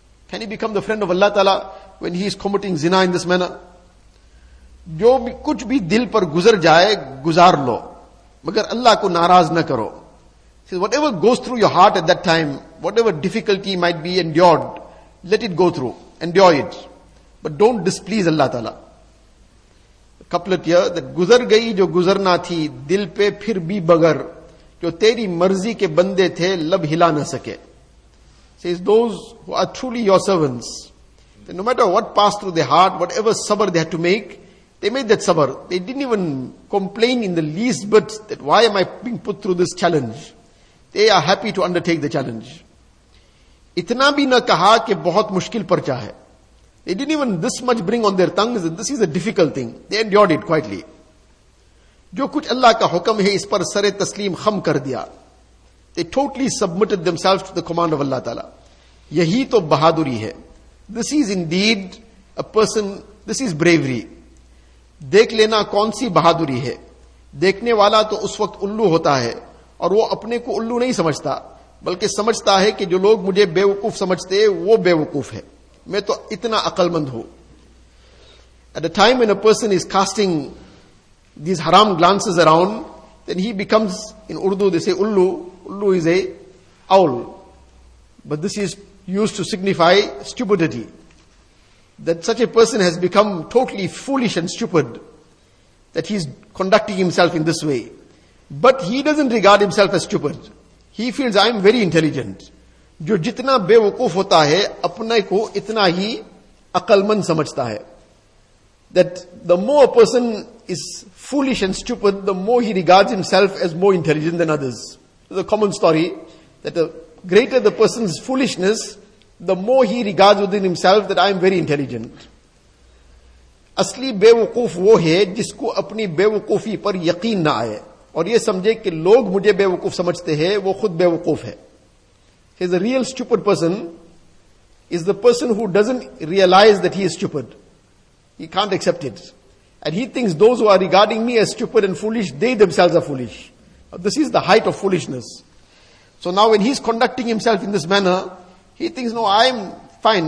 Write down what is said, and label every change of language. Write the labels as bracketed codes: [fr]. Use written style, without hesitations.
[en] Can he become the friend of Allah Ta'ala when he is committing zina in this manner? [ur] جو کچھ بھی دل پر گزر جائے گزار لو مگر اللہ کو ناراض نہ کرو. [en] So whatever goes through your heart at that time, whatever difficulty might be endured, let it go through, endure it, but don't displease Allah Ta'ala. Couplet here, that [ur] گزر گئی جو گزرنا تھی دل پہ پھر بھی بگر, جو تیری مرضی کے بندے تھے لب ہلا نہ سکے. [en] Says those who are truly your servants, that no matter what passed through their heart, whatever sabr they had to make, they made that sabr. They didn't even complain in the least bit that why am I being put through this challenge. They are happy to undertake the challenge. [ur] اتنا بھی نہ کہا کہ بہت مشکل پرچہ ہے. [en] They didn't even this much bring on their tongues that this is a difficult thing. They endured it quietly. [ur] جو کچھ اللہ کا حکم ہے اس پر سر تسلیم خم کر دیا. [en] They totally submitted themselves to the command of Allah Ta'ala. [ur] یہی تو بہادری ہے. [en] This is indeed a person, this is bravery. [ur] دیکھ لینا کون سی بہادری ہے. دیکھنے والا تو اس وقت الو ہوتا ہے اور وہ اپنے کو الو نہیں سمجھتا بلکہ سمجھتا ہے کہ جو لوگ مجھے بے وقوف سمجھتے وہ بے وقوف ہے. میں تو اتنا عقل مند ہوں. [en] At a time when a person is casting these haram glances around, then he becomes, in Urdu they say ullu, ullu is a owl, but this is used to signify stupidity, that such a person has become totally foolish and stupid, that he is conducting himself in this way. But he doesn't regard himself as stupid. He feels, I am very intelligent. [ur] جو جتنا بے وقوف ہوتا ہے اپنے کو اتنا ہی عقل مند سمجھتا ہے. [en] That the more a person is foolish and stupid, the more he regards himself as more intelligent than others. It's a common story that the greater the person's foolishness, the more he regards within himself that I am very intelligent. [ur] اصلی بے وقوف وہ ہے جس کو اپنی بے وقوفی پر یقین نہ آئے. اور یہ سمجھے کہ لوگ مجھے بے وقوف سمجھتے ہیں وہ خود بے وقوف ہے. [en] He is a real stupid person is the person who doesn't realize that he is stupid. He can't accept it. And he thinks those who are regarding me as stupid and foolish, they themselves are foolish. This is the height of foolishness. So now when he's conducting himself in this manner, he thinks, no, I'm fine.